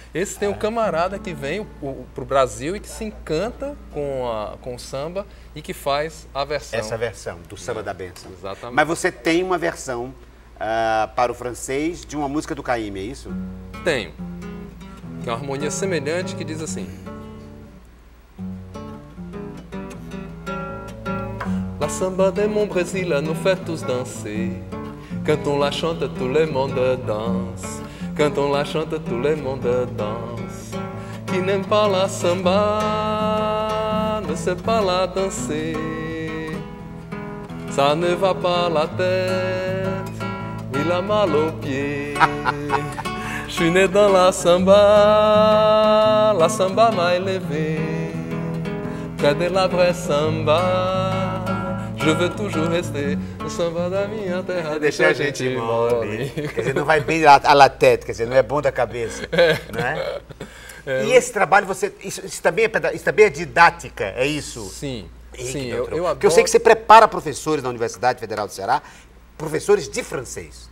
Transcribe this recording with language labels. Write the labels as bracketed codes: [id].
[pt] Esse tem um camarada que vem pro Brasil e que se encanta com o samba e que faz a versão. Essa versão, do samba da bênção. Exatamente. Mas você tem uma versão... para o francês, de uma música do Caymmi, é isso? Tenho. Que é uma harmonia semelhante que diz assim. [fr] La samba de mon Brésil nous fait tous danser. Quand on la chante, tout le monde danse. Quand on la chante, tout le monde danse. Qui n'aime pas la samba, ne sait pas la danser. Ça ne va pas la tête. Il a mal au pied. Je suis né dans la samba m'a élevé. Près de la vraie samba, je veux toujours rester. [pt] O samba da minha terra deixa a gente mole. Quer dizer, não vai bem à la tête, quer dizer, não é bom da cabeça. Né? E esse trabalho, isso também é didática, é isso? Sim, Henrique, sim. Eu adoro... Porque eu sei que você prepara professores na Universidade Federal do Ceará. Professores de francês.